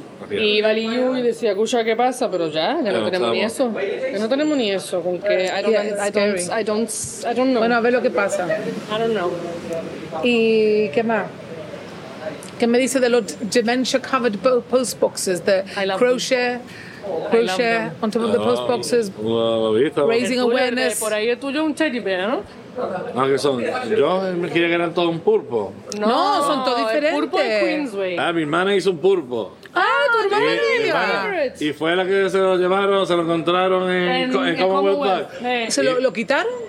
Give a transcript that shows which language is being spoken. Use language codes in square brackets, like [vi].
[es] Y iba a Liu y decía, escucha, ¿qué pasa? Pero ya no tenemos ni eso. Que no tenemos ni eso. Con que [en] I don't know. [es] Bueno, a ver lo que pasa. [en] I don't know. [es] ¿Y qué más? ¿Qué me dice de los [en] dementia-covered post boxes? The crochet. Crochet on top of the post boxes, raising awareness. [es] Por ahí el tuyo es un teddy bear, ¿no? Ah, ¿qué son? Yo me quería que eran todos un pulpo. No, son todos diferentes. El pulpo es Queensway. Ah, mi hermana hizo un pulpo. Ah, tu hermana es mi hermana. Y fue la que se lo llevaron, se lo encontraron en Commonwealth Park. ¿Se lo quitaron?